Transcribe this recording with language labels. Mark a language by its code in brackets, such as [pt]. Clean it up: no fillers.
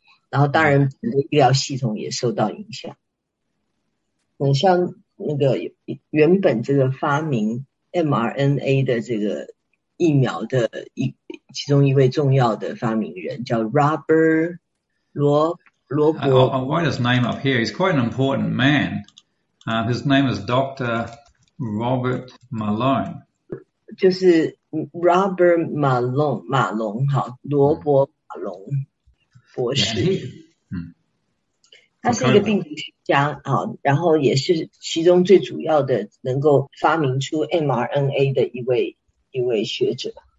[zh] 然后当然，整个医疗系统也受到影响。那像那个原本这个发明 mRNA 的这个疫苗的其中一位重要的发明人叫 罗伯。 [en] I'll write his name up here. He's quite an important man. His name is Dr. Robert Malone. [zh] 就是 Robert Malone 马龙，好，罗伯马龙博 [en] Yeah, [zh] 士，他是一个 [en] incredible. [zh] 病毒学家啊，然后也是其中最主要的能够发明出 mRNA 的一位学者。